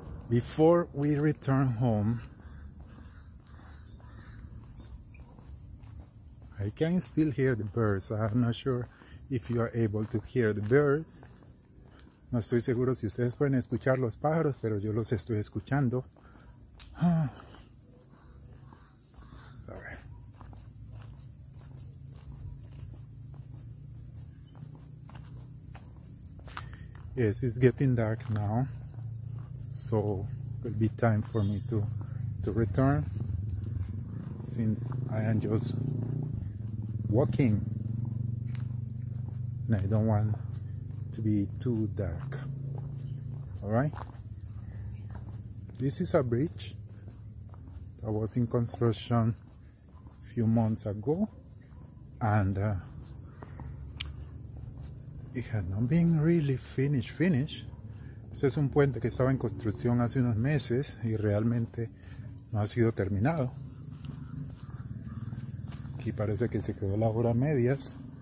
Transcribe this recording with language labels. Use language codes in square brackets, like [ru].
[en] Before we return home, I can still hear the birds. I'm not sure if you are able to hear the birds. [es] No estoy seguro si ustedes pueden escuchar los pájaros, pero yo los estoy escuchando. [en] Sorry. Yes, it's getting dark now. So it'll be time for me to return, since I am just walking and I don't want to be too dark. Alright, this is a bridge that was in construction a few months ago, and it had not been really finished. [es] Este es un puente que estaba en construcción hace unos meses y realmente no ha sido terminado. Aquí parece que se quedó la obra a medias.